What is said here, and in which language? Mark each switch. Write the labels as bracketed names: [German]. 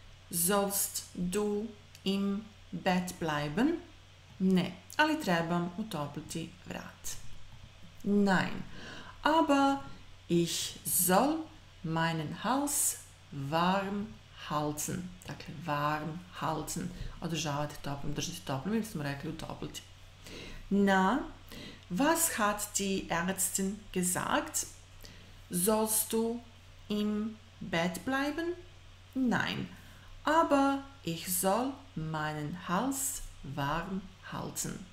[German] Sollst du im Bett bleiben? [Croatian] Ne, ali trebam utopliti vrat. [German] Nein, aber ich soll meinen Hals warm halten. [Croatian] Dakle, [German] warm halten. [Croatian] Održavati toplim, držati toplim, ili smo rekli utopliti. [German] Na, was hat die Ärztin gesagt? Sollst du im Bett bleiben? Nein, aber ich soll meinen Hals warm halten.